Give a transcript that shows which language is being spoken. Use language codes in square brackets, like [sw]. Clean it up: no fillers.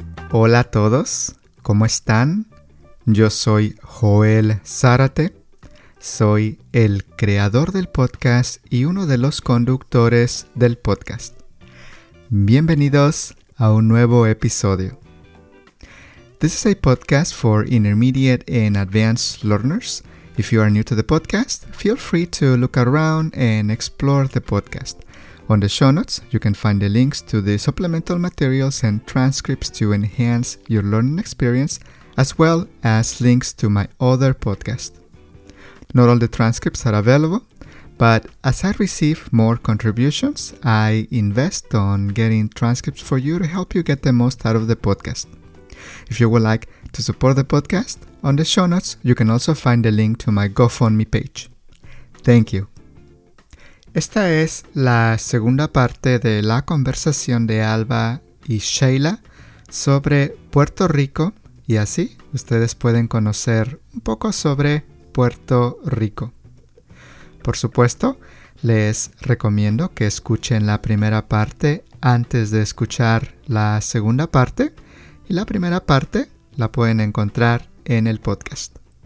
[es] Hola a todos, ¿cómo están? Yo soy Joel Zárate, soy el creador del podcast y uno de los conductores del podcast. Bienvenidos a un nuevo episodio. [en] This is a podcast for intermediate and advanced learners. If you are new to the podcast, feel free to look around and explore the podcast. On the show notes, you can find the links to the supplemental materials and transcripts to enhance your learning experience, as well as links to my other podcast. Not all the transcripts are available, but as I receive more contributions, I invest on getting transcripts for you to help you get the most out of the podcast. If you would like to support the podcast, on the show notes, you can also find the link to my GoFundMe page. Thank you. [es] Esta es la segunda parte de la conversación de Alba y Sheila sobre Puerto Rico, y así ustedes pueden conocer un poco sobre Puerto Rico. Por supuesto, les recomiendo que escuchen la primera parte antes de escuchar la segunda parte, y la primera parte la pueden encontrar en el podcast.